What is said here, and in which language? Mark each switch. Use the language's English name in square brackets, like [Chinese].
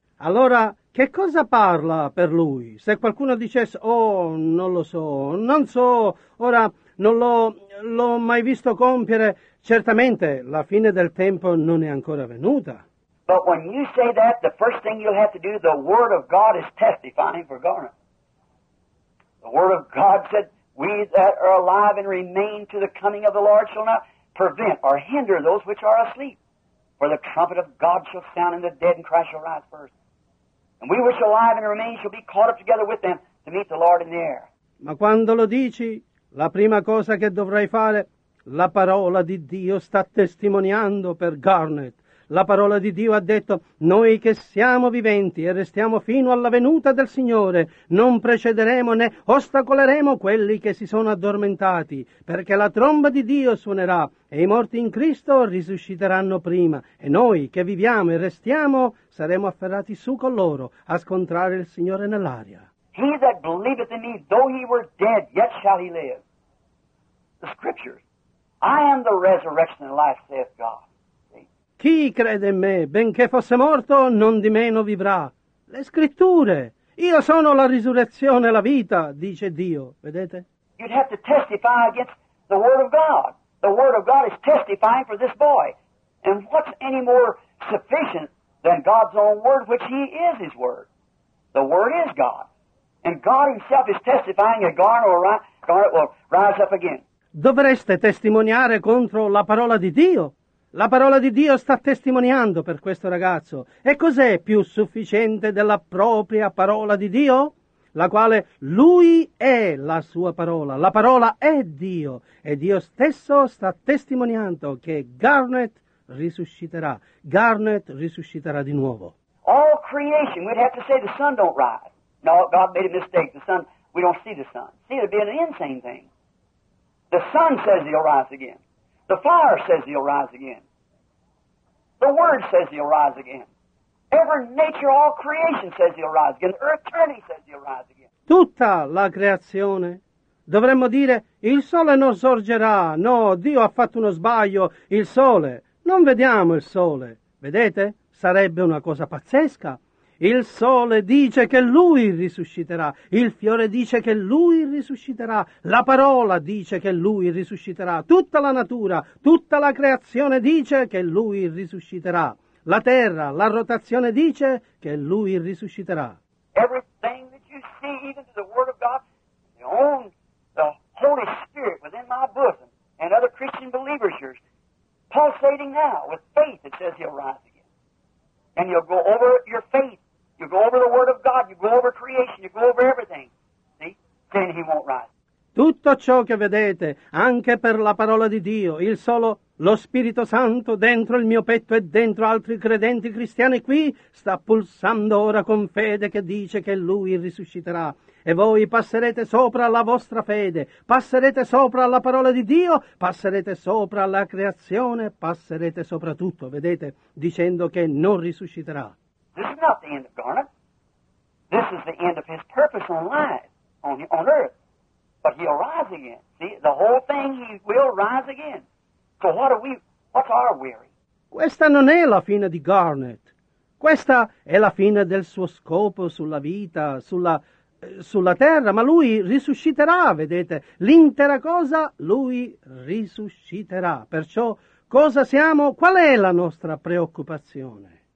[Italian] Allora, che cosa parla per lui? Se qualcuno dicesse, oh, non lo so, non so, ora, non l'ho mai visto compiere, certamente la fine del tempo non è ancora venuta. [English] But when you say that, the first thing you'll have to do, the Word of God is testifying for Garnet. The Word of God said, we that are alive and remain to the coming of the Lord shall not prevent or hinder those which are asleep. For the trumpet of God shall sound, and the dead in Christ shall rise first. And we which are alive and remain shall be caught up together with them to meet the Lord in the air. [Italian] Ma quando lo dici, la prima cosa che dovrai fare, la parola di Dio sta testimoniando per Garnet. La parola di Dio ha detto, noi che siamo viventi e restiamo fino alla venuta del Signore, non precederemo né ostacoleremo quelli che si sono addormentati, perché la tromba di Dio suonerà e i morti in Cristo risusciteranno prima, e noi che viviamo e restiamo saremo afferrati su con loro a scontrare il Signore nell'aria. [English] He that believeth in me, though he were dead, yet shall he live. The Scriptures. I am the resurrection and life, saith God. [Italian] Chi crede in me, benché fosse morto, non di meno vivrà. Le Scritture. Io sono la risurrezione e la vita, dice Dio. Vedete? [English] You'd have to testify against the Word of God. The Word of God is testifying for this boy. And what's any more sufficient than God's own Word, which He is His Word? The Word is God. And God Himself is testifying that Garnet will rise up again. [Italian] Dovreste testimoniare contro la parola di Dio. La parola di Dio sta testimoniando per questo ragazzo. E cos'è più sufficiente della propria parola di Dio? La quale lui è la sua parola. La parola è Dio. E Dio stesso sta testimoniando che Garnet risusciterà. Garnet risusciterà di nuovo. [English] All creation, we'd have to say the sun don't rise. No, God made a mistake. The sun, we don't see the sun. See, it'd be an insane thing. The sun says he'll rise again. The fire says he'll rise again. The Word says he'll rise again. Every nature, all creation says he'll rise again. The earth turning says he'll rise again. [Italian] Tutta la creazione. Dovremmo dire, il sole non sorgerà. No, Dio ha fatto uno sbaglio. Il sole. Non vediamo il sole. Vedete? Sarebbe una cosa pazzesca. Il sole dice che lui risusciterà, il fiore dice che lui risusciterà, la parola dice che lui risusciterà, tutta la natura, tutta la creazione dice che lui risusciterà, la terra, la rotazione dice che lui risusciterà. [English] Everything that you see, even to the Word of God, the own the Holy Spirit within my bosom and other Christian believers here, pulsating now with faith that says he'll rise again. And you'll go over your faith. You go over the Word of God, you go over creation, you go over everything, see? Then he won't rise. [Italian] Tutto ciò che vedete, anche per la parola di Dio, il solo, lo Spirito Santo dentro il mio petto e dentro altri credenti cristiani qui, sta pulsando ora con fede che dice che lui risusciterà. e voi passerete sopra la vostra fede, passerete sopra la parola di Dio, passerete sopra la creazione, passerete sopra tutto, vedete, dicendo che non risusciterà. [English] This is not the end of Garnet. This is the end of his purpose on life, on earth. But he'll rise again. See, the whole thing, he will rise again. So what are we, what's our weary? [Italian] Questa non è la fine di Garnet. Questa è la fine del suo scopo sulla vita, sulla terra. Ma lui risusciterà, vedete, l'intera cosa, lui risusciterà. Perciò, cosa siamo, qual è la nostra preoccupazione?